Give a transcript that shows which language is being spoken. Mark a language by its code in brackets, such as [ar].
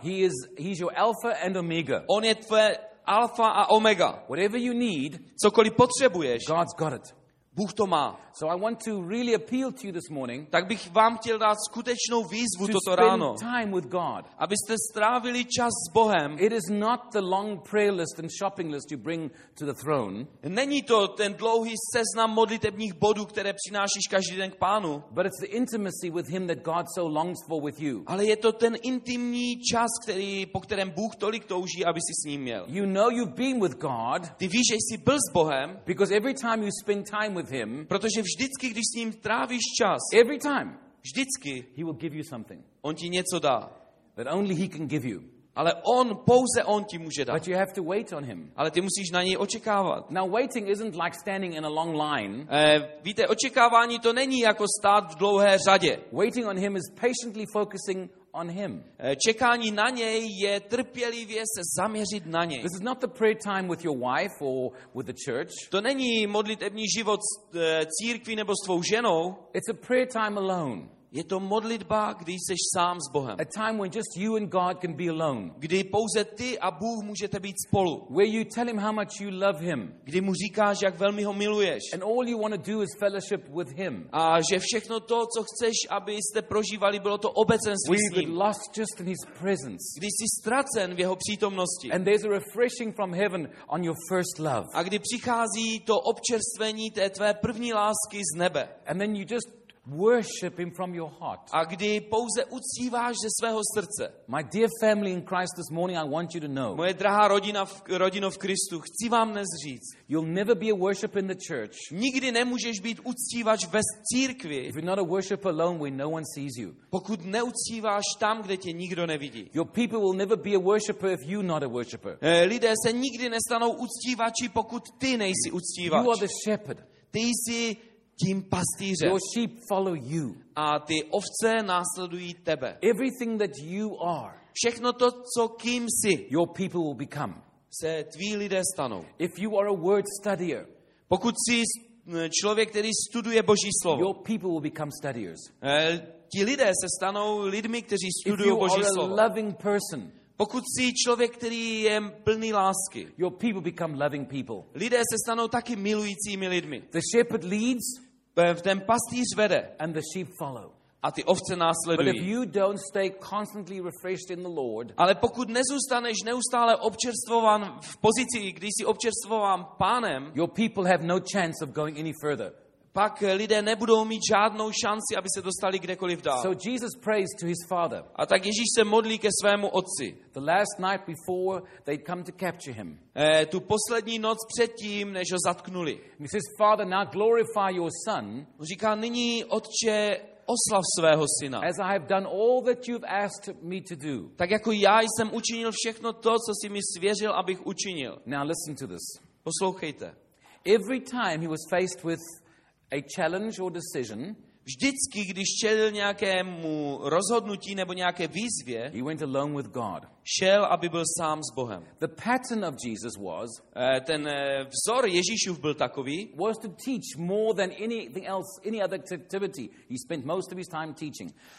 [en] He's your alpha and omega. [cs] On je tvoje alfa a omega. [en] Whatever you need, [cs] cokoliv potřebuješ, [en] God's got it. [cs] Bůh to má. [en] So I want to really appeal to you this morning. [cs] Tak bych vám chtěl dát skutečnou výzvu to toto ráno. [en] Spend time with God. [cs] Abyste strávili čas s Bohem. [en] It is not the long prayer list and shopping list you bring to the throne. [cs] Není to ten dlouhý seznam modlitebních bodů, které přinášíš každý den k Pánu. [en] But it's the intimacy with him that God so longs for with you. [cs] Ale je to ten intimní čas, který po kterém Bůh tolik touží, aby si s ním měl. [en] You know you've been with God. [cs] Ty víš, že jsi byl s Bohem. [en] Because every time you spend time with him, [cs] protože vždycky, když s ním trávíš čas, [en] every time, [cs] vždycky, [en] he will give you something. [cs] On ti něco dá. [en] That only he can give you. [cs] Ale on, pouze on ti může dát. [en] But you have to wait on him. [cs] Ale ty musíš na něj očekávat. [en] Now waiting isn't like standing in a long line. [cs] Víte, očekávání to není jako stát v dlouhé řadě. [en] Waiting on him is patiently focusing on him. [cs] Čekání na něj je trpělivě se zaměřit na něj. [en] This is not the prayer time with your wife or with the church. [cs] To není modlitební život s církví nebo s tvou ženou. [en] It's a prayer time alone. [cs] Je to modlitba, kdy jsi sám s Bohem. [en] A time when just you and God can be alone. [cs] Kdy pouze ty a Bůh můžete být spolu. [en] Where you tell him how much you love him. [cs] Kdy mu říkáš, jak velmi ho miluješ. [en] And all you want to do is fellowship with him. [cs] A že všechno to, co chceš, abyste prožívali, bylo to obecenství s ním. [en] We've been lost just in his presence. [cs] Kdy jsi ztracen v jeho přítomnosti. [en] And there's a refreshing from heaven on your first love. [cs] A kdy přichází to občerstvení té tvé první lásky z nebe. [en] And then you just worship him from your heart. [cs] A kdy pouze uctíváš ze svého srdce. [en] My dear family in Christ this morning, I want you to know. [cs] Moje drahá rodina v Kristu, chci vám dnes říct. [en] You'll never be a worshipper in the church. [cs] Nikdy nemůžeš být uctívač ve církvi. [en] If you're not a worshipper alone, where no one sees you. [cs] Pokud neuctíváš tam, kde tě nikdo nevidí. [en] Your people will never be a worshipper if you're not a worshipper. [cs] Lidé se nikdy nestanou uctívači, pokud ty nejsi uctívač. [en] You are the shepherd. [cs] Ty jsi tím pastýřem. [en] Your sheep follow you. [cs] A ty ovce následují tebe. [en] Everything that you are. [cs] Všechno to, co kým jsi. [en] Your people will become. [cs] Se tví lidé stanou. [en] If you are a word studier. [cs] Pokud jsi člověk, který studuje Boží slovo. [en] Your people will become studiers. [cs] Ti lidé se stanou lidmi, kteří studují Boží slovo. [en] If you are a loving person. [cs] Pokud jsi člověk, který je plný lásky. [en] Your people become loving people. [cs] Lidé se stanou taky milujícími lidmi. [en] The shepherd leads, [cs] ten pastýř vede, [en] and the sheep follow. [cs] A ty ovce následují. [en] But if you don't stay constantly refreshed in the Lord, [cs] ale pokud nezůstaneš neustále občerstvován v pozici, kdy jsi občerstvován Pánem, [en] your people have no chance of going any further. [cs] Pak lidé nebudou mít žádnou šanci, aby se dostali kdekoliv dál. [en] So Jesus prays to his father. [cs] A tak Ježíš se modlí ke svému otci. [en] The last night before they come to capture him. [cs] Tu poslední noc předtím, než ho zatknuli. [en] He says, Father, now glorify your son. [cs] Říká, nyní otče, oslav svého syna. [en] As I have done all that you've asked me to do. [cs] Tak jako já jsem učinil všechno to, co jsi mi svěřil, abych učinil. [en] Now listen to this. [cs] Poslouchejte. [en] Every time he was faced with a challenge or decision, [cs] vždycky když čelil nějakému rozhodnutí nebo nějaké výzvě, [en] he went alone with God. [cs] Šel, aby byl sám s Bohem. [en] The pattern of Jesus was, [cs] ten vzor Ježíšův byl takový, [en] was to teach more than anything else, any other activity. He spent most of his time teaching.